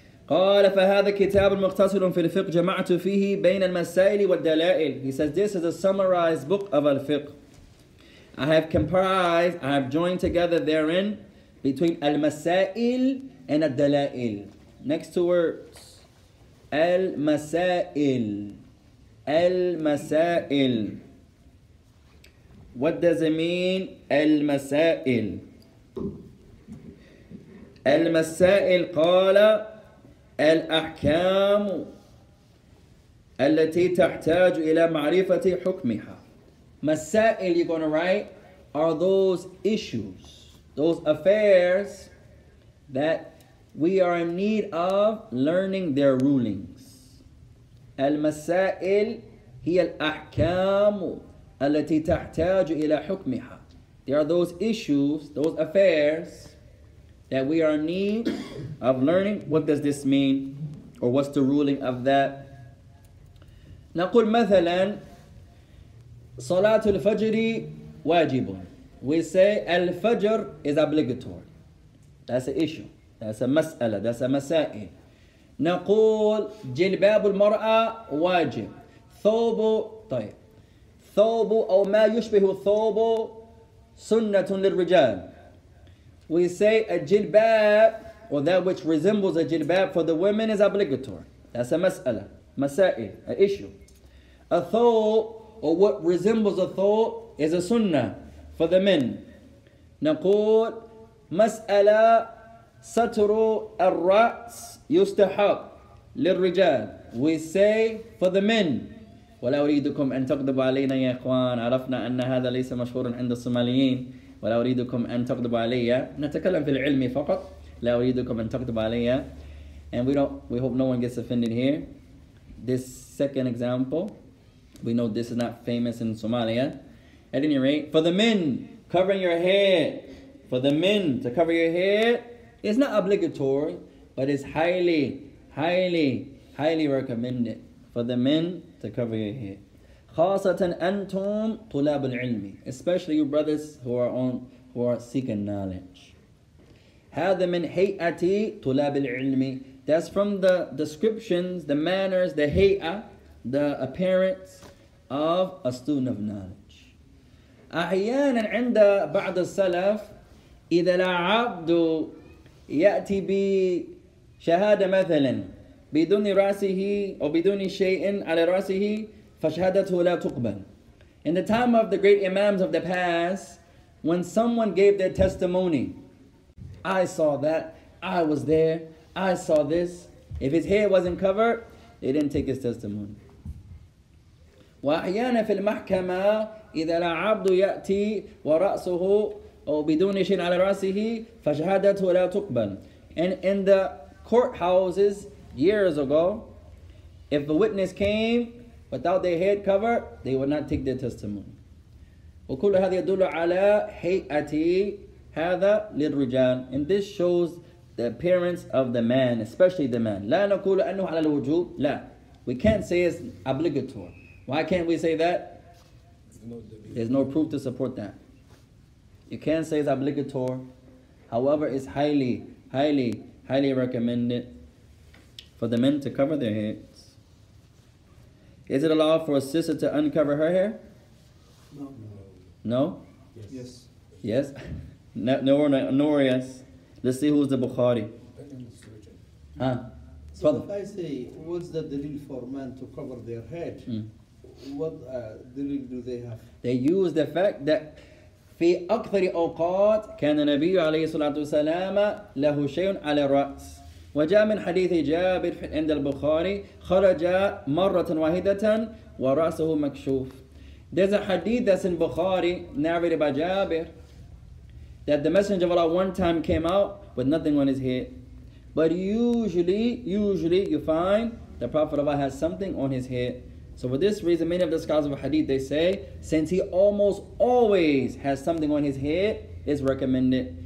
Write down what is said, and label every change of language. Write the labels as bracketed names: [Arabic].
[Arabic] قال فهذا كتاب مختصر في الفقه جمعت فيه بين المسائل والدلائل. [English] He says this is a summarized book of al-fiqh. I have joined together therein between al-masail and al-dalail. Next two words. Al-masail. Al-masail. What does it mean? Al-masail. [Arabic] Al-masail قال الأحكام التي تحتاج إلى معرفة حكمها. [English] مسائل, you're going to write, are those issues, those affairs that we are in need of learning their rulings. [Arabic] المسائل هي الأحكام التي تحتاج إلى حكمها. [English] They are those issues, those affairs that we are in need of learning. What does this mean? Or what's the ruling of that? [Arabic] نقول مثلا صلاة الفجر واجب. [English] We say الفجر is obligatory. That's an issue. That's a مسألة. That's a مسائل. [Arabic] نقول جلباب المرأة واجب. ثوب, طيب. ثوب أو ما يشبه ثوب سنة للرجال. [English] We say a jilbab, or that which resembles a jilbab for the women, is obligatory. That's a mas'ala, masail, an issue. A thought, or what resembles a thought, is a sunnah for the men. [Arabic] نقول مسألة ستر الرأس يستحق للرجال. [English] We say for the men. [Arabic] ولا أريدكم أن تغضبوا علينا يا إخوان. عرفنا أن هذا ليس مشهورا عند الصوماليين. ولا أريدكم أن تغضبوا علي. نتكلم في العلم فقط. لا أريدكم أن تغضبوا علي. [English] And we hope no one gets offended here. This second example, we know this is not famous in Somalia. At any rate, for the men, covering your head, for the men to cover your head, it's not obligatory, but it's highly, highly, highly recommended for the men to cover your head. [Arabic] خاصةً أنتم طلاب العلم, [English] especially you brothers who are seeking knowledge. [Arabic] هذا من هيئتي طلاب العلم. [English] That's from the descriptions, the manners, the hay'ah, the appearance of a student of knowledge. [Arabic] أحياناً عند بعض السلف إذا العبد يأتي بشهادة مثلاً بدون رأسه أو بدون شيء على رأسه فشهادته لا تقبل. [English] In the time of the great imams of the past, when someone gave their testimony, I saw that, I was there, I saw this. If his hair wasn't covered, they didn't take his testimony. [Arabic] وأحيانا في المحكمة إذا العبد يأتي ورأسه أو بدون شيء على رأسه فشهادته لا تقبل. [English] And in the courthouses years ago, if a witness came without their head covered, they would not take their testimony. [Arabic] وكل هذا يدل على هيئتي هذا للرجال. [English] And this shows the appearance of the man, especially the man. [Arabic] لا نقول أنه على الوجوب. لا. [English] We can't say it's obligatory. Why can't we say that? There's no proof to support that. You can't say it's obligatory. However, it's highly, highly, highly recommended for the men to cover their heads. Is it allowed for a sister to uncover her hair? No. No? Yes. Yes? Nor yes. Let's see who's the Bukhari. Huh? So Father. If I say, what's the dalil for men to cover their head? What dalil do they have? They use the fact that [Arabic] في أكثر أوقات كان النبي عليه الصلاة والسلام له شيء على الرأس. وجاء من حديث جابر عند البخاري خرج مرة واحدة ورأسه مكشوف. [English] There's a hadith that's in Bukhari narrated by Jabir, that the Messenger of Allah one time came out with nothing on his head. But usually you find the Prophet of Allah has something on his head. So for this reason, many of the scholars of hadith, they say, since he almost always has something on his head, it's recommended.